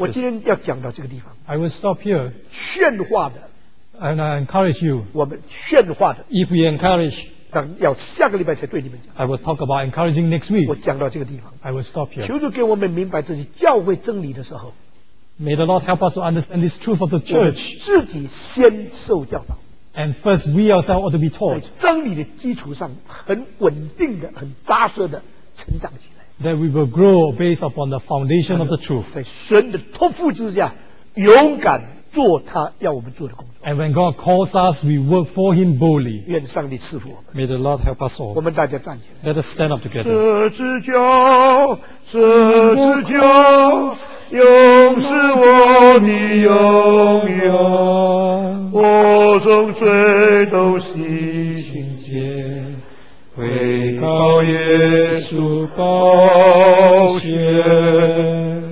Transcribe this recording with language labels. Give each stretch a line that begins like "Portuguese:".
Chinese: 我今天要讲到这个地方。
English: I will stop here.
Chinese: 劝化的
English: ，and I encourage you.
Chinese: 我们劝化的
English: ，if we encourage，
Chinese: 等要下个礼拜才对你们讲。
English: I will talk about encouraging next week.
Chinese: 我讲到这个地方。
English: I will stop here.
Chinese: 求主给我们明白这些教会真理的时候
English: ，May the Lord help us to understand this truth of the church.
Chinese: 我们自己先受教导。
English: And first, we ourselves ought to be taught.
Chinese: 在真理的基础上，很稳定的、很扎实的成长起来。
English: That we will grow based upon the foundation of the truth.
Chinese: 在神的托付之下，勇敢做他要我们做的工作。
English: And when God calls us, we work for Him boldly.
Chinese: 愿上帝赐福我们。
English: May the Lord help us all.
Chinese: 我们大家站起来。
English: Let us stand up together.
Chinese: 十字架，十字架，永是我的荣耀。我从罪都洗清洁，回到耶稣宝血。